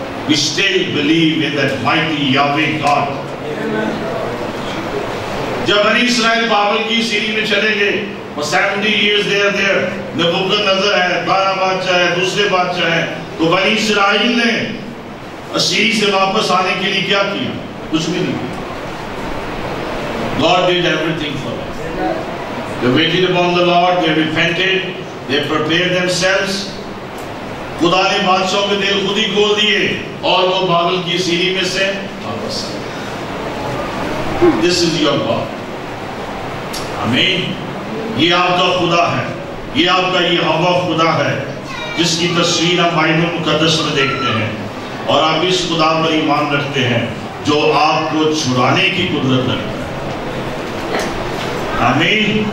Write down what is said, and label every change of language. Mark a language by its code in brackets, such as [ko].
[en] We still believe in that mighty Yahweh God. [hi] जब बनी Israel बाबल की सीरी में चले गए, [en] 70 years they are there, [hi] नबूकदनज़र है, 12 बादशाह है, दूसरे बादशाह है, तो बनी इसराइल ने असीरी से वापस आने के लिए क्या किया? कुछ भी नहीं किया। [en] God did everything for them. They waited upon the Lord, they repented, they prepared themselves. [hi] खुदा ने बादशाहों के दिल खुद ही खोल दिए और वो बाबल की सीरी में से वापस आए। [en] This is your God. Amen. [hi] ये आपका खुदा है, ये आपका यहोवा खुदा है, जिसकी तस्वीर हम बाइबल मुकद्दस में देखते हैं, और आप इस खुदा पर ईमान रखते हैं जो आपको छुड़ाने की कुदरत रखता है। आमीन।